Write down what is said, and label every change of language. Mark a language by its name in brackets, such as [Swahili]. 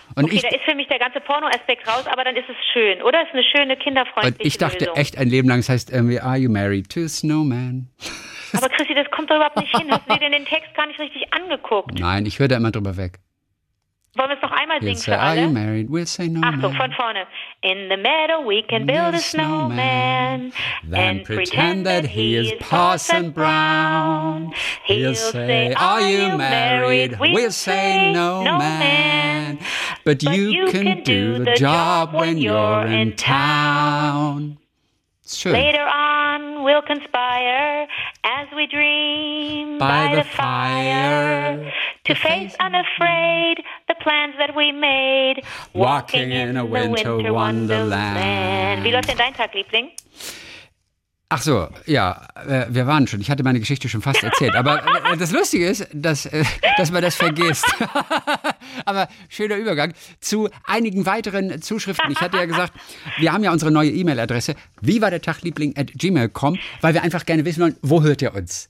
[German] Und okay, da ist für mich der ganze Porno-Aspekt raus, aber dann ist es schön, oder? Es ist eine schöne, kinderfreundliche Lösung. Ich dachte echt ein Leben lang, es heißt irgendwie, [English] are you married to a snowman? [German] Aber Chrissy, das kommt doch überhaupt nicht hin. Hast du dir denn den Text gar nicht richtig angeguckt? Nein, ich höre da immer drüber weg. Wollen wir es noch einmal singen für alle? [English] Are you married? We'll say no. [German] Achtung, von vorne. [English] In the meadow we can build a snowman. Then pretend that he is Parson Brown. He'll say, are you married? We'll say no, man. But you can do the job when you're in town. Sure. Later on we'll conspire as we dream by the fire. To face unafraid the plans that we made. Walking in a winter wonderland. [German] Wie läuft denn dein Tag, Liebling? Ach so, ja, wir waren schon. Ich hatte meine Geschichte schon fast erzählt. Aber das Lustige ist, dass man das vergisst. Aber schöner Übergang zu einigen weiteren Zuschriften. Ich hatte ja gesagt, wir haben ja unsere neue E-Mail-Adresse. wievaderTagLiebling@gmail.com, weil wir einfach gerne wissen wollen, wo hört ihr uns?